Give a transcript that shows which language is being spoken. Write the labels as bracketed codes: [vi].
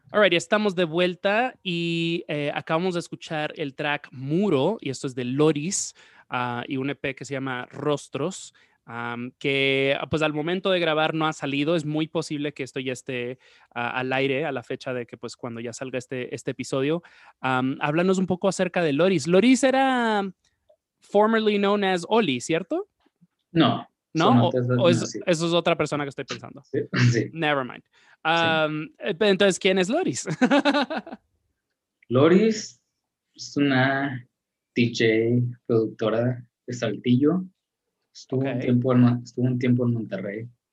[es] Ya estamos de vuelta y acabamos de escuchar el track Muro, y esto es de Loris y un EP que se llama Rostros, que pues al momento de grabar no ha salido. Es muy posible que esto ya esté al aire a la fecha de que pues cuando ya salga este episodio. Háblanos un poco acerca de Loris. [en] Loris [es] era [en] formerly known as Oli, [es] ¿cierto? No. ¿No? Eso es otra persona que estoy pensando. Sí. [en] Never mind. [es] Sí. Entonces, ¿quién es Loris? Loris, Es una DJ productora de Saltillo. Estuvo un tiempo en Monterrey.